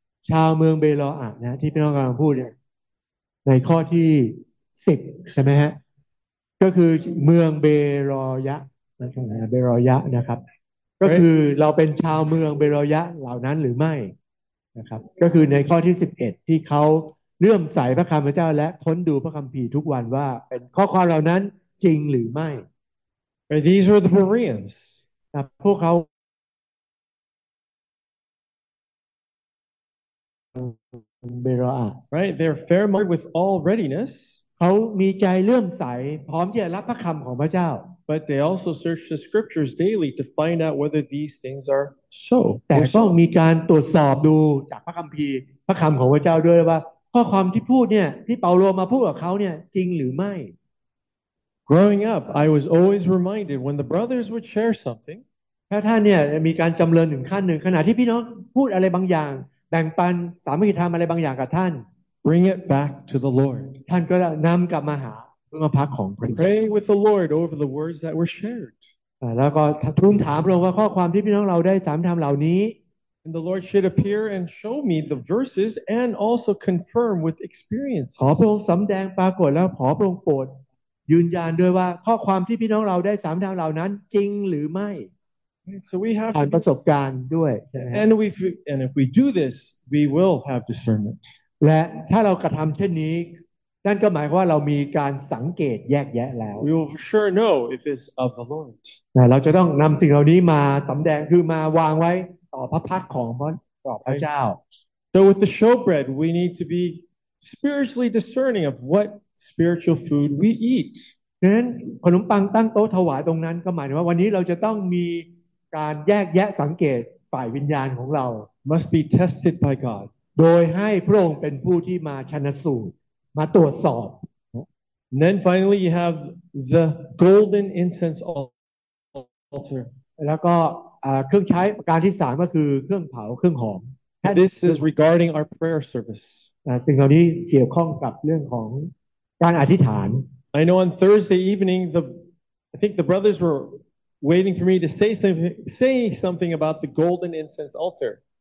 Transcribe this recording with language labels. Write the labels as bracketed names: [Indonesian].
[Thai] ชาวเมืองเบโลอะนะที่พี่น้องกำลังพูดเนี่ยในข้อที่10ใช่ไหมฮะก็คือเมืองเบโลยะนะครับเบโลยะนะครับก็คือเราเป็นชาวเมืองเบโลยะเหล่านั้นหรือไม่ ะครับก็คือในข้อที่11ที่เขาเลื่อมใสพระคำพระเจ้าและค้นดูพระคัมภีร์ทุกวันว่าเป็นข้อความเหล่านั้นจริงหรือไม่ [English] And these were the Bereans [Thai] นะพวกเขาเบโรอา [English] right they're fair-minded with all readiness [Thai] เขามีใจเลื่อมใสพร้อมที่จะรับพระคำของพระเจ้า [English] but they also search the scriptures daily to find out whether these things are so [Thai] แต่ต้องมีการตรวจสอบดูจากพระคัมภีร์พระคำของพระเจ้าด้วยว่าข้อความที่พูดเนี่ยที่เปาโลมาพูดกับเขาเนี่ยจริงหรือไม่ [English] growing up I was always reminded when the brothers would share something [Thai] ถ้าท่านเนี่ยมีการจำเริญถึงขั้นหนึ่งขณะที่พี่น้องพูดอะไรบางอย่างแบ่งปันสามัคคีธรรมอะไรบางอย่างกับท่าน [English] Bring it back to the Lord [Thai] ท่านก็นำกลับมาหาพระพักของพระเจ้า [English] Pray with the Lord over the words that were shared [Thai] แล้วก็ทูลถามพระองค์ว่าข้อความที่พี่น้องเราได้สามธรรมเหล่านี้ [English] And the Lord should appear and show me the verses and also confirm with experience [Thai] ขอพระองค์สำแดงปรากฏแล้วขอพระองค์โปรดยืนยันด้วยว่าข้อความที่พี่น้องเราได้สามธรรมเหล่านั้นจริงหรือไม่ [English] So we have [Thai] ผ่านประสบการณ์ด้วย [English] and we and if we do this we will have discernment [Thai] และถ้าเรากระทำเช่นนี้นั่นก็หมายความว่าเรามีการสังเกตแยกแยะแล้ว [English] we will for sure know if it's of the Lord [Thai] เราจะต้องนำสิ่งเหล่านี้มาสำแดงคือมาวางไว้ต่อพระพักของพระเจ้า [English] so with the showbread we need to be spiritually discerning of what spiritual food we eat [Thai] ดังนั้นขนมปังตั้งโต๊ะถวายตรงนั้นก็หมายถึงว่าวันนี้เราจะต้องมีการแยกแยะสังเกตฝ่ายวิญญาณของเรา [English] must be tested by God [Thai] โดยให้พระองค์เป็นผู้ที่มาชันสูตรมาตรวจสอบ [English] And then finally you have the golden incense altar [Thai] แล้วก็เครื่องใช้ประการที่3ก็คือเครื่องเผาเครื่องหอม [English] This is regarding our prayer service [Thai] สิ่งเหล่านี้เกี่ยวข้องกับเรื่องของการอธิษฐาน [English] I know on Thursday evening I think the brothers wereWaiting for me to say something about the golden incense altar.